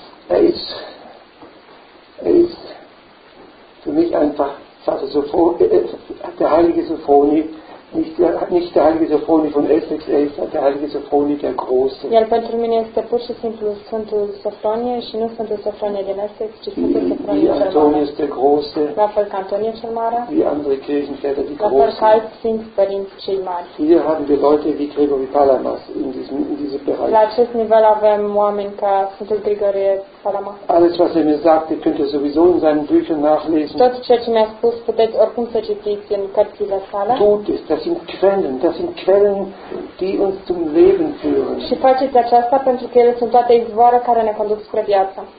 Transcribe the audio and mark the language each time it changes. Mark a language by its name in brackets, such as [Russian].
[German] Er ist für mich einfach Vater Sofronie, der heilige Sofronie. Nicht der heilige Sofronie von SXS, der heilige Sofronie der Große. [Romanian] Iar pentru mine este pur și simplu Sfântul Sofronie și nu Sfântul Sofronie din SX, ci Sfântul Sofronie cel Mare. [German] Antonius der Große. [Romanian] La fel ca Antonie cel Mare. [German] Wie andere Kirchenväter, die Großen. [Romanian] La fel ca alți Sfinți Părinți cei Mari. [German] Hier haben wir Leute wie Gregory Palamas in diesem Bereich. [Romanian] La acest nivel avem oameni ca Sfântul Grigorie Palamas. [German] Alles, was er mir sagte, könnt ihr sowieso in seinen Büchern nachlesen. [Romanian] Tot ceea ce mi-a spus, puteți oricum să citiți în cărțile sale. Tot este. [German] Das sind Quellen, die uns zum Leben führen. [Romanian] Și faceți aceasta pentru că ele sunt toate izvoare care ne conduc spre viață.